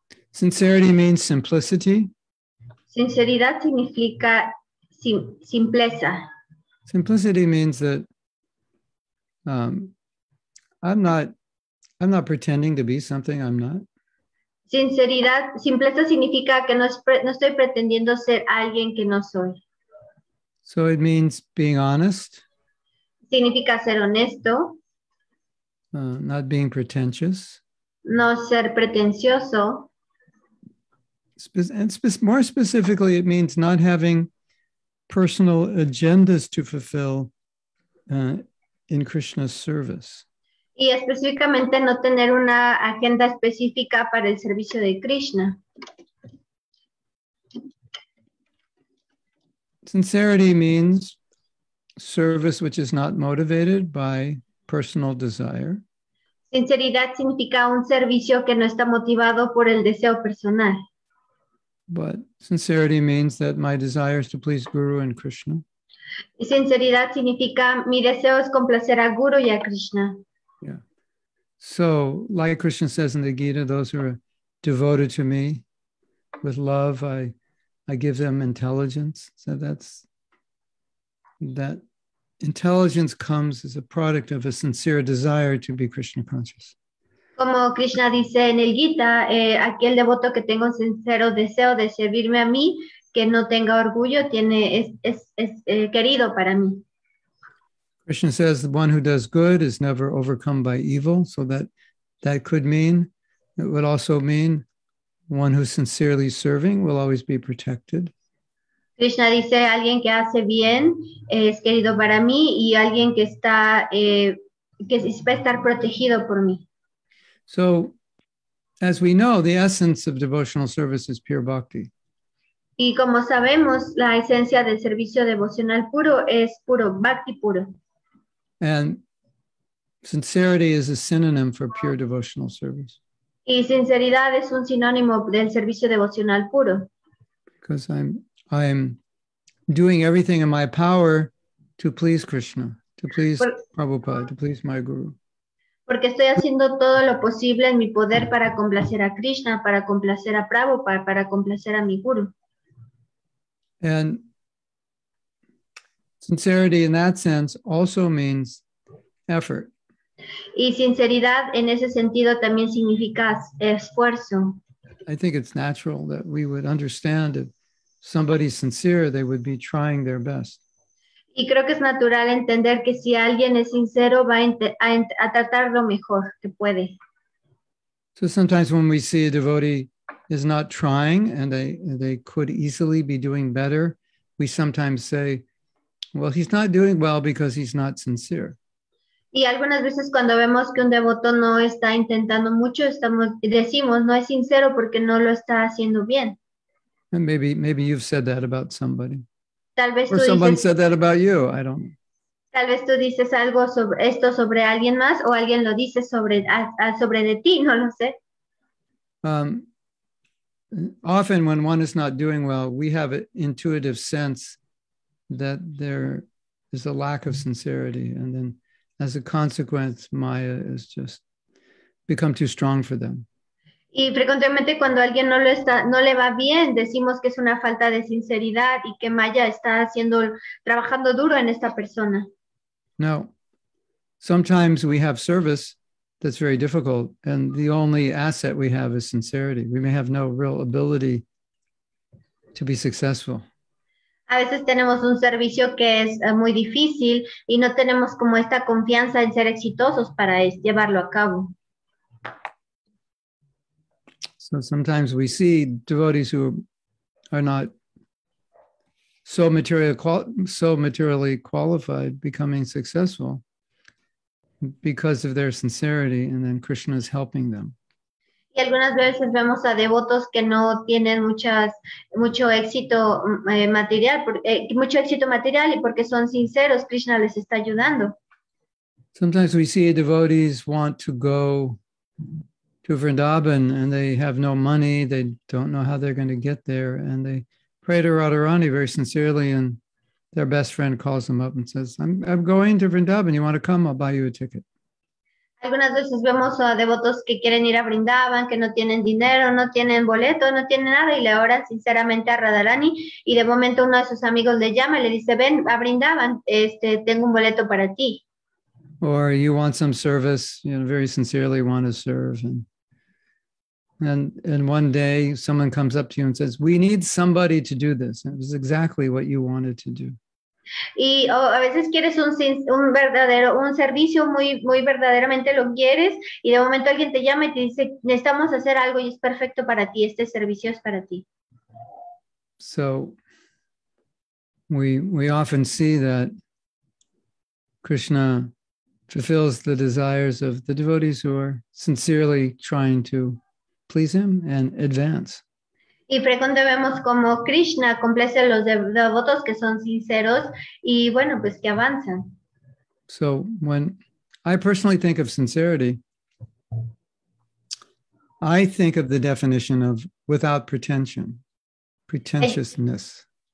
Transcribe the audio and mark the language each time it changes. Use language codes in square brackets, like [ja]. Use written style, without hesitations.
[en] Sincerity means simplicity. [es] Sinceridad significa simpleza. [en] Simplicity means that I'm not pretending to be something I'm not. [es] Sinceridad, simpleza significa que no estoy pretendiendo ser alguien que no soy. [en] So it means being honest. [es] Significa ser honesto. [en] Not being pretentious. [es] No ser pretencioso. [en] More specifically, it means not having personal agendas to fulfill in Krishna's service. [es] Y específicamente no tener una agenda específica para el servicio de Krishna. [en] Sincerity means service which is not motivated by personal desire. [es] Sinceridad significa un servicio que no está motivado por el deseo personal. [en] But sincerity means that my desire is to please Guru and Krishna. [es] Sinceridad significa mi deseo es complacer a Guru y a Krishna. [en] Yeah. So, like Krishna says in the Gita, those who are devoted to me with love, I give them intelligence. So that intelligence comes as a product of a sincere desire to be Krishna conscious. [es] Como Krishna dice en el Gita, aquel devoto que tenga un sincero deseo de servirme a mí, que no tenga orgullo, tiene es querido para mí. [en] Krishna says the one who does good is never overcome by evil, so that could mean, it would also mean one who's sincerely serving will always be protected. [es] Krishna dice, alguien que hace bien es querido para mí y alguien que está que va a estar protegido por mí. [en] So, as we know, the essence of devotional service is pure bhakti. [es] Y como sabemos, la esencia del servicio devocional puro es puro, bhakti puro. [en] And sincerity is a synonym for pure devotional service. [es] Y sinceridad es un sinónimo del servicio devocional puro. [en] Because I'm doing everything in my power to please Krishna, to please Prabhupada, to please my guru. [es] Porque estoy haciendo todo lo posible en mi poder para complacer a Krishna, para complacer a Prabhupada, para complacer a mi guru. [en] And sincerity in that sense also means effort. [es] Y sinceridad en ese sentido también significa esfuerzo. [en] I think it's natural that we would understand if somebody's sincere, they would be trying their best. [es] Y creo que es natural entender que si alguien es sincero va a tratar lo mejor que puede. [en] So sometimes when we see a devotee is not trying and they could easily be doing better, we sometimes say, well, he's not doing well because he's not sincere. [es] Y algunas veces cuando vemos que un devoto no está intentando mucho, decimos, no es sincero porque no lo está haciendo bien. [en] And maybe you've said that about somebody. [es] Tal vez [en] or [es] tú [en] someone [es] dices, [en] said that about you. I don't know. [es] Tal vez tú dices algo sobre esto sobre alguien más o alguien lo dice sobre de ti. No lo sé. [en] Often when one is not doing well, we have an intuitive sense that there is a lack of sincerity. And then as a consequence, Maya has just become too strong for them. [es] Y frecuentemente cuando alguien no le va bien, decimos que es una falta de sinceridad y que Maya está trabajando duro en esta persona. No. [en] Sometimes we have service that's very difficult and the only asset we have is sincerity. We may have no real ability to be successful. [es] A veces tenemos un servicio que es muy difícil y no tenemos como esta confianza en ser exitosos para llevarlo a cabo. [en] So sometimes we see devotees who are not so materially qualified becoming successful because of their sincerity, and then Krishna is helping them. [es] Y algunas veces vemos a devotos que no tienen mucho éxito material y porque son sinceros, Krishna les está ayudando. [en] Sometimes we see devotees want to go to Vrindavan and they have no money, they don't know how they're going to get there, and they pray to Radharani very sincerely, and their best friend calls them up and says, I'm going to Vrindavan, you want to come? I'll buy you a ticket. [es] Algunas veces vemos a devotos que quieren ir a Vrindavan, que no tienen dinero, no tienen boleto, no tienen nada, y le oran sinceramente a Radharani, y de momento uno de sus amigos le llama y le dice, ven a Vrindavan, tengo un boleto para ti. [en] Or you want some service, you know, very sincerely want to serve. And one day someone comes up to you and says, we need somebody to do this. And it was exactly what you wanted to do. [es] Y a veces quieres un servicio muy, muy verdaderamente lo quieres, y de momento alguien te llama y te dice, necesitamos hacer algo y es perfecto para ti, este servicio es para ti. [en] So we often see that Krishna fulfills the desires of the devotees who are sincerely trying to please him and advance. [es] Y frecuente vemos como Krishna complace los devotos que son sinceros y bueno, pues que avanzan. [en] So when I personally think of sincerity, I think of the definition of without pretension, pretentiousness.